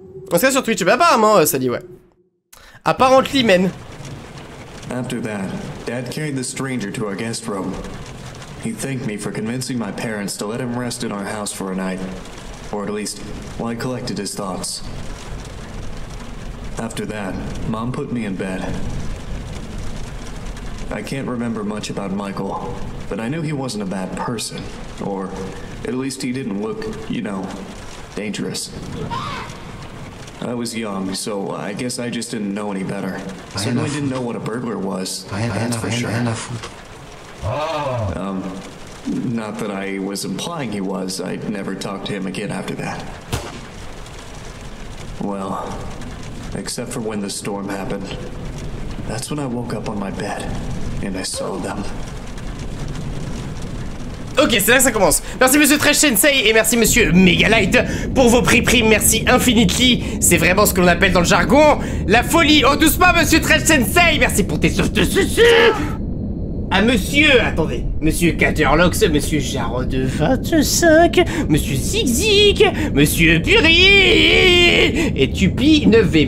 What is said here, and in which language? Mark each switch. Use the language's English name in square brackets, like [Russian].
[French] On serait sur Twitch, mais apparemment, ça dit ouais. [English] Apparently, man. After that, Dad carried the stranger to our guest room. He thanked me for convincing my parents to let him rest in our house for a night, or at least while I collected his thoughts. After that, Mom put me in bed. I can't remember much about Michael, but I knew he wasn't a bad person, or at least he didn't look, you know, dangerous. I was young, so I guess I just didn't know any better. Certainly didn't know what a burglar was. That's for sure. Not that I was implying he was. I'd never talk to him again after that. Well, except for when the storm happened. That's when I woke up on my bed and I saw them. [French] Ok, c'est là que ça commence. Merci monsieur Trash Sensei et merci monsieur Megalight pour vos prix, merci infinitely. C'est vraiment ce que l'on appelle dans le jargon la folie. Oh, doucement monsieur Trash Sensei, merci pour tes soft sucres. À monsieur, attendez, monsieur Caterlox, monsieur Jarod 25, monsieur Zigzig, monsieur Puri et Tupi 9V.